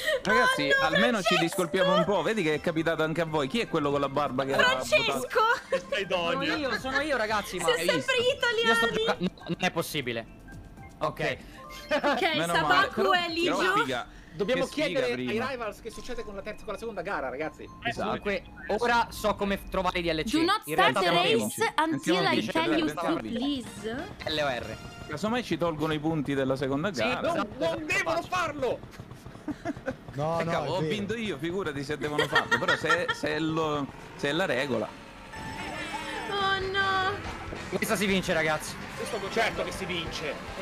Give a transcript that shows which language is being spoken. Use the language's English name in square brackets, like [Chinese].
[Italian] Ragazzi, oh no, almeno Francesco, ci discolpiamo un po'. Vedi che è capitato anche a voi. Chi è quello con la barba che Francesco! Ha sono io, ragazzi. Ma sei sempre italiano. Non è possibile. Ok. Ok, Sabaku è Ligio. Dobbiamo chiedere prima ai rivals che succede con la terza, con la seconda gara, ragazzi. Esatto. Comunque, ora so come trovare i DLC. [English] Do not start the race until I tell you to please. LOR. [Italian] Casomai ci tolgono i punti della seconda gara. Sì, non devono farlo! No, no, ho vinto io, figurati se devono farlo. Però se è la regola. Oh no! Questa si vince, ragazzi. Certo che si vince.